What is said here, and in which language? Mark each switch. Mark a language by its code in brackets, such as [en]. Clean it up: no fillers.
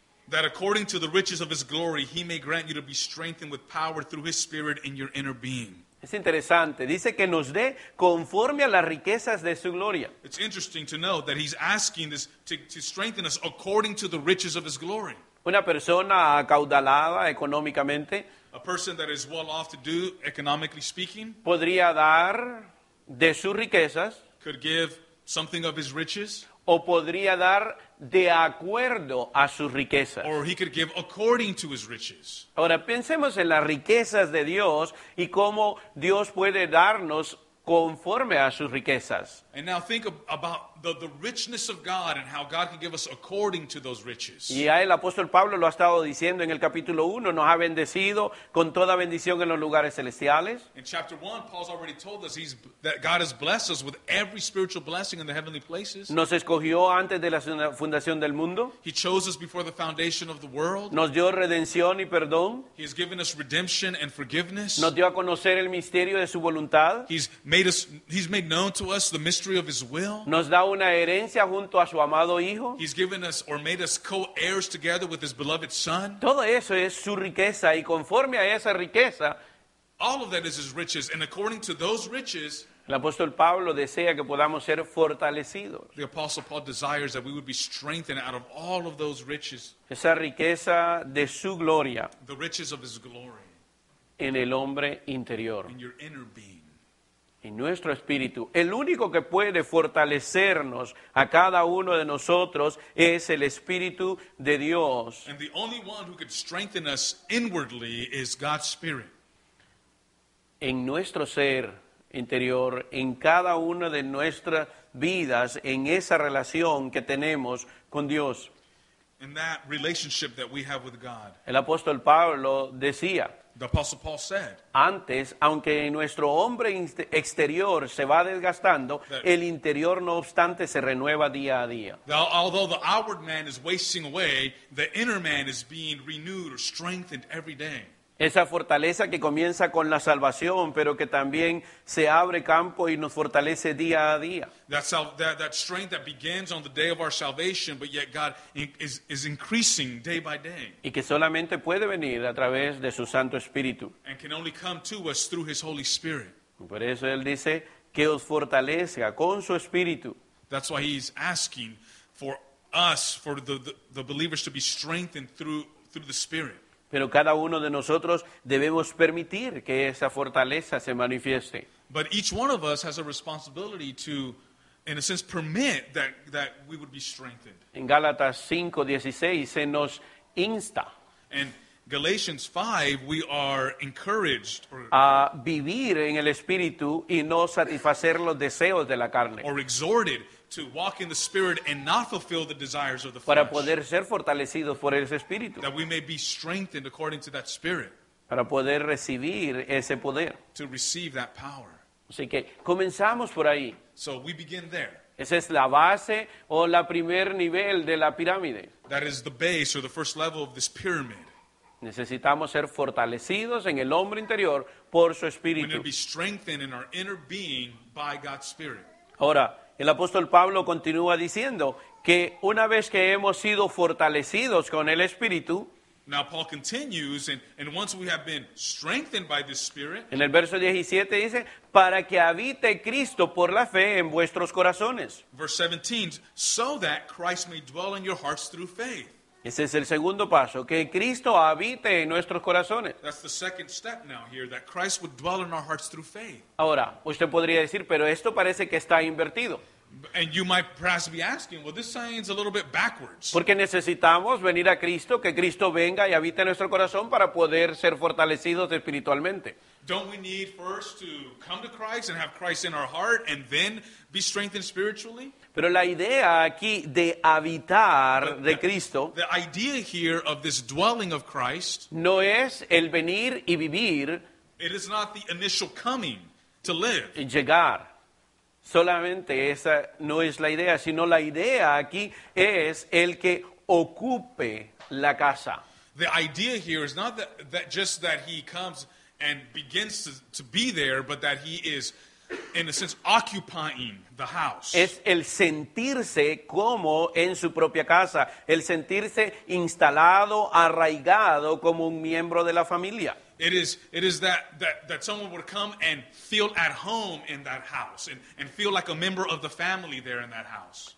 [en] That according to the riches of his glory he may grant you to be strengthened with power through his spirit in your inner being. [es] Es interesante. Dice que nos dé conforme a las riquezas de su gloria. [en] It's interesting to know that he's asking this to strengthen us according to the riches of his glory. [es] Una persona acaudalada económicamente. [en] A person that is well off to do, economically speaking. [es] Podría dar de sus riquezas. [en] Could give something of his riches. [es] O podría dar de acuerdo a sus riquezas. [en] Or he could give according to his riches. [es] Ahora pensemos en las riquezas de Dios y cómo Dios puede darnos conforme a sus riquezas. [en] And now think about the richness of God and how God can give us according to those riches. [es] Y ya el apóstol Pablo lo ha estado diciendo en el capítulo 1, nos ha bendecido con toda bendición en los lugares celestiales. [en] In chapter 1, Paul's already told us that God has blessed us with every spiritual blessing in the heavenly places. [es] Nos escogió antes de la fundación del mundo. [en] He chose us before the foundation of the world. [es] Nos dio redención y perdón. [en] He has given us redemption and forgiveness. [es] Nos dio a conocer el misterio de su voluntad. [en] He's made known to us the mystery of his will. [es] Nos da una herencia junto a su amado hijo. [en] He's given us or made us co-heirs together with his beloved son. [es] Todo eso es su riqueza, y conforme a esa riqueza, [en] all of that is his riches, and according to those riches, [es] el apóstol Pablo desea que podamos ser fortalecidos. [en] The apostle Paul desires that we would be strengthened out of all of those riches. [es] Esa riqueza de su gloria. [en] The riches of his glory. [es] En el hombre interior. [en] In your inner being. [es] En nuestro espíritu. El único que puede fortalecernos a cada uno de nosotros es el Espíritu de Dios. [en] And the only one who could strengthen us inwardly is God's Spirit. [es] En nuestro ser interior, en cada una de nuestras vidas, en esa relación que tenemos con Dios. [en] In that relationship that we have with God. [es] El apóstol Pablo decía. [en] The Apostle Paul said, [es] antes, aunque nuestro hombre exterior se va desgastando, el interior no obstante se renueva día a día. [en] Although the outward man is wasting away, the inner man is being renewed or strengthened every day. [es] Esa fortaleza que comienza con la salvación, pero que también se abre campo y nos fortalece día a día. [en] That strength that begins on the day of our salvation, but yet God is increasing day by day. [es] Y que solamente puede venir a través de su Santo Espíritu. [en] And can only come to us through his Holy Spirit. [es] Por eso él dice que os fortalezca con su Espíritu. [en] That's why he's asking for us, for the believers to be strengthened through the Spirit. [es] Pero cada uno de nosotros debemos permitir que esa fortaleza se manifieste. [en] But each one of us has a responsibility to, in a sense, permit that we would be strengthened. [es] En Gálatas 5:16 se nos insta. [en] In Galatians 5, we are encouraged. [es] A vivir en el Espíritu y no satisfacer los deseos de la carne. [en] Or exhorted to walk in the Spirit and not fulfill the desires of the flesh. [es] Para poder ser fortalecidos por ese Espíritu. [en] That we may be strengthened according to that Spirit. [es] Para poder recibir ese poder. [en] To receive that power. [es] Así que comenzamos por ahí. [en] So we begin there. [es] Esa es la base o la primer nivel de la pirámide. [en] That is the base or the first level of this pyramid. [es] Necesitamos ser fortalecidos en el hombre interior por su Espíritu. [en] We need to be strengthened in our inner being by God's Spirit. [es] Ahora, el apóstol Pablo continúa diciendo que una vez que hemos sido fortalecidos con el Espíritu, [en] now Paul continues, and once we have been strengthened by the Spirit, [es] en el verso 17 dice, para que habite Cristo por la fe en vuestros corazones. [en] Verse 17, so that Christ may dwell in your hearts through faith. [es] Ese es el segundo paso, que Cristo habite en nuestros corazones. [en] That's the second step now here, that Christ would dwell in our hearts through faith. [es] Ahora, usted podría decir, pero esto parece que está invertido. [en] And you might perhaps be asking, well, this sounds a little bit backwards. [es] Porque necesitamos venir a Cristo, que Cristo venga y habite en nuestro corazón para poder ser fortalecidos espiritualmente. [en] Don't we need first to come to Christ and have Christ in our heart and then be strengthened spiritually? [es] Pero la idea aquí de habitar de Cristo, [en] the idea here of this dwelling of Christ, [es] no es el venir y vivir. It is not the initial coming to live. Llegar. Solamente esa no es la idea, sino la idea aquí es el que ocupe la casa. [en] The idea here is not that just that he comes and begins to be there, but that he is, in a sense, occupying the house. [es] Es el sentirse como en su propia casa, el sentirse instalado, arraigado como un miembro de la familia. [en] It is that someone would come and feel at home in that house and feel like a member of the family there in that house.